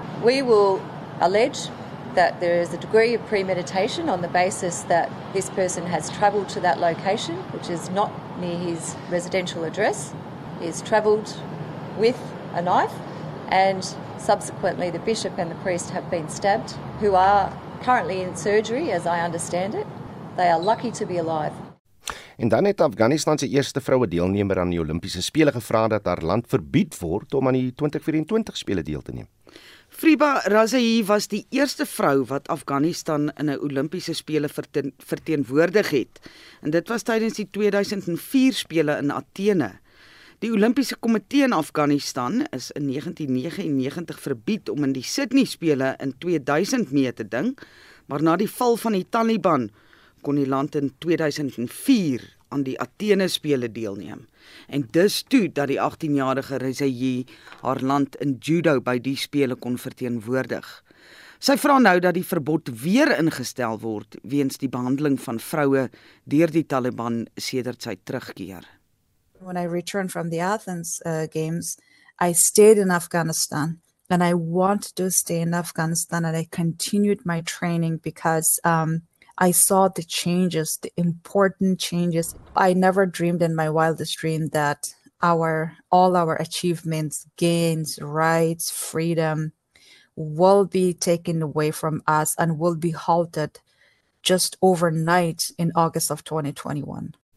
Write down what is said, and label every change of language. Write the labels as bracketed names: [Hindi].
[English] We will allege that there is a degree of premeditation on the basis that this person has travelled to that location, which is not near his residential address, is travelled with a knife, and subsequently the bishop and the priest have been stabbed, who are currently in surgery, as I understand it. They are lucky to be alive. [Afrikaans] En dan het Afghanistan se eerste vroue deelnemer aan die Olimpiese Spele gevra dat haar land verbied word om aan die 2024 Spele deel te neem. Friba Razaei was die eerste vrou wat Afghanistan in 'n Olimpiese Spele verteenwoordig het. En dit was tydens die 2004 Spele in Athene. Die Olimpiese Komitee in Afghanistan is in 1999 verbied om in die Sydney Spele in 2000 mee te ding, maar na die val van die Taliban kon die land in 2004 aan die Athene Spele deelneem. En dus toe dat die 18-jarige Rezaei haar land in judo by die spele kon verteenwoordig. Sy vra nou dat die verbod weer ingestel word weens die behandeling van vroue deur die Taliban sedert sy terugkeer. [English] When I returned from the Athens games, I stayed in Afghanistan and I want to stay in Afghanistan and I continued my training because I saw the changes, the important changes. I never dreamed in my wildest dream that all our achievements, gains, rights, freedom will be taken away from us and will be halted just overnight in August of 2021.